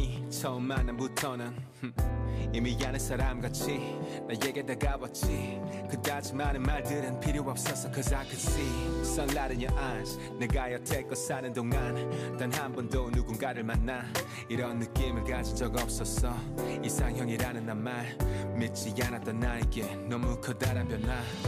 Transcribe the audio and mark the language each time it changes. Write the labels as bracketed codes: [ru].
[ko] 처음 만남부터는 이미 아는 사람같이 나에게 다가왔지. 그다지 많은 말들은 필요 없었어. [en] Cause I could see sunlight in your eyes. [ko] 내가 여태껏 사는 동안 단 한 번도 누군가를 만나 이런 느낌을 가진 적 없었어. 이상형이라는 난 말 믿지 않았던 나에게 너무 커다란 변화.